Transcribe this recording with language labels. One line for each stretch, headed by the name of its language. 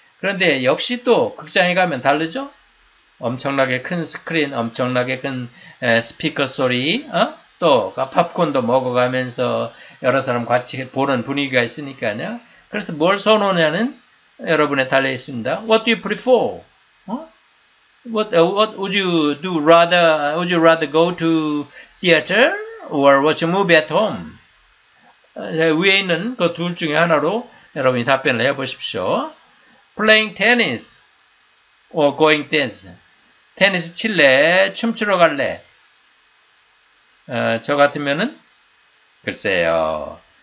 Korean: 그런데 역시 또 극장에 가면 다르죠? 엄청나게 큰 스크린, 엄청나게 큰 스피커 소리, 또 팝콘도 먹어가면서 여러 사람 같이 보는 분위기가 있으니까요. 그래서 뭘 선호냐는 여러분에 달려 있습니다.
English: What do you prefer? What would you do rather? Would you rather go to theater or watch a movie at home?
Korean: 위에 있는 그둘 중에 하나로 여러분이 답변을 해보십시오.
English: Playing tennis or going dance?
Korean: 테니스 칠래? 춤추러 갈래? 저 같으면은 글쎄요.